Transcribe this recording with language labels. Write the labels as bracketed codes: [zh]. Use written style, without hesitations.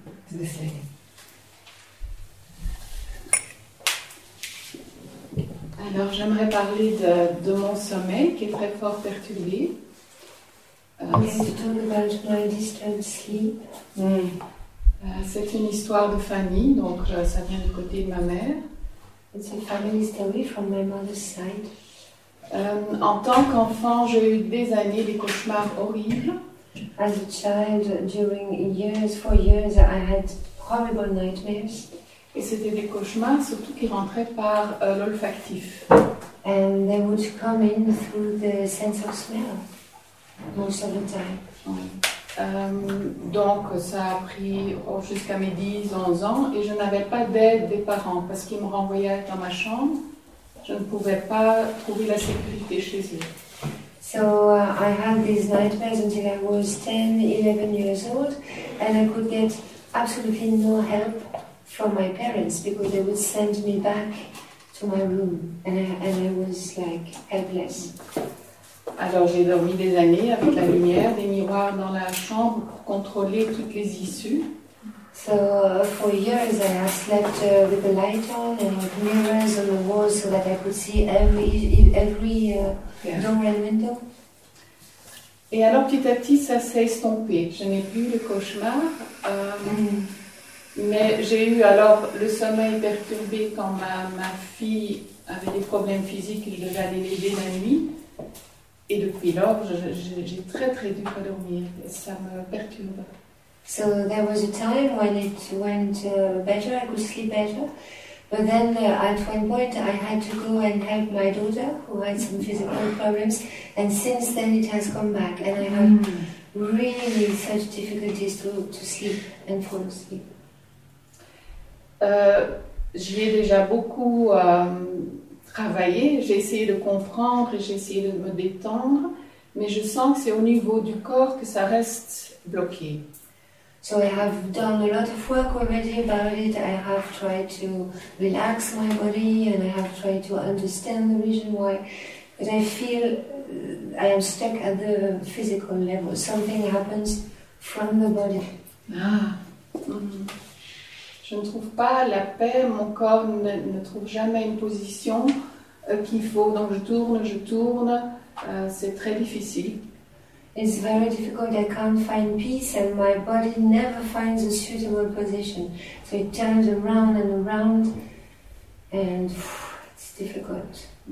[en] To this lady. [fr] Alors, j'aimerais parler de mon sommeil qui est très fort perturbé. [en] To talk about my disturbed sleep. [fr] C'est une histoire de famille, donc ça vient du côté de ma mère. [en] It's a family story from my mother's side. [fr] En tant qu'enfant, j'ai eu des années des cauchemars horribles. [en] As a child, during years, for years, I had horrible nightmares. [fr] Et c'était des cauchemars, surtout qui rentraient par l'olfactif. [en] And they would come in through the sense of smell, most of the time. [fr] Donc ça a pris jusqu'à mes 10-11 ans et je n'avais pas d'aide des parents parce qu'ils me renvoyaient dans ma chambre. Je ne pouvais pas trouver la sécurité chez eux. [en] So I had these nightmares until I was 10-11 years old and I could get absolutely no help from my parents because they would send me back to my room and I was like helpless. [fr] Alors j'ai dormi des années avec la lumière, des miroirs dans la chambre pour contrôler toutes les issues. [en] So for years I slept with the light on and mirrors on the wall so that I could see every door and window. [fr] Et alors petit à petit ça s'est estompé. Je n'ai plus le cauchemar, mais j'ai eu alors le sommeil perturbé quand ma fille avait des problèmes physiques et je devais aller l'aider la nuit. Et depuis lors, j'ai très très dur à dormir. Ça me perturbe. [en] So there was a time when it went better, I could sleep better. But then at one point, I had to go and help my daughter who had some physical problems. And since then, it has come back, and I have really such difficulties to sleep and fall asleep. [fr] J'y ai déjà beaucoup travaillé, j'ai essayé de comprendre, j'ai essayé de me détendre, mais je sens que c'est au niveau du corps que ça reste bloqué. [en] So I have done a lot of work already about it. I have tried to relax my body and I have tried to understand the reason why. But I feel I am stuck at the physical level. Something happens from the body. [fr] Je ne trouve pas la paix, mon corps ne trouve jamais une position qu'il faut. Donc je tourne, c'est très difficile. [en] It's very difficult, I can't find peace and my body never finds a suitable position. So it turns around and around and it's difficult.